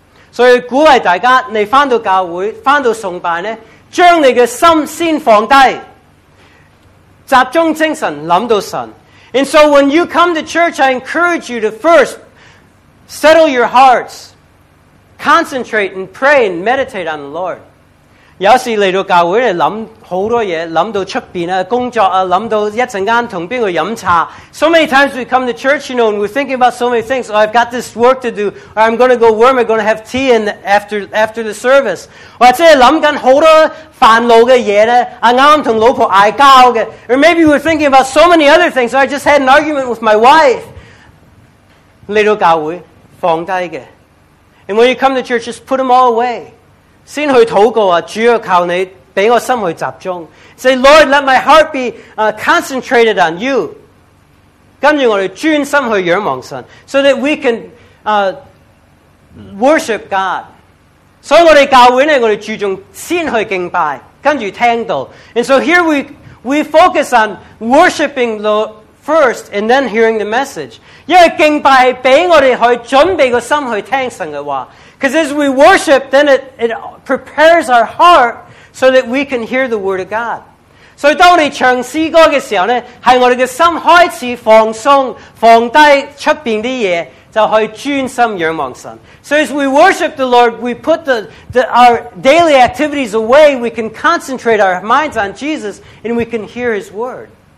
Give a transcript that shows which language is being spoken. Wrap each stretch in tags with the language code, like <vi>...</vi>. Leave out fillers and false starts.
<zh>所以鼓励大家，你翻到教会，翻到崇拜呢， 将你的心先放低，集中精神想到神。</zh> <en>And so when you come to church, I encourage you to first settle your hearts. Concentrate and pray and meditate on the Lord.</en> <zh>有時來到教會,想很多東西,想到出面,工作,想到一會兒跟誰喝茶.</zh> <en>So many times we come to church, you know, and we're thinking about so many things. Oh, I've got this work to do. Or I'm going to go warm, I'm going to have tea in after the service.</en> <zh>或者想很多煩惱的事,剛剛跟老婆吵架的.</zh> <en>Or maybe we're thinking about so many other things. Or I just had an argument with my wife.</en> <zh>來到教會,放下的.</zh> <en>And when you come to church, just put them all away.</en> <zh>先去祷告,主要靠你,让我心去集中.</zh> <en>Say, Lord, let my heart be concentrated on you.</en> <zh>跟着我们专心去仰望神,</zh> <en>so that we can worship God.</en> <zh>所以我们教会呢,我们注重先去敬拜, 跟着听道.</zh> <en>And so here we focus on worshiping the Lord first, and then hearing the message.</en> <zh>因为敬拜是让我们去准备心去听神的话.</zh> <en>Because as we worship, then it prepares our heart so that we can hear the Word of God.</en> <zh>So 当我们唱诗歌的时候,是我们的心开始放松,放下外面的东西,就去专心仰望神.</zh> <en>So as we worship the Lord, we put our daily activities away, we can concentrate our minds on Jesus, and we can hear His Word.</en>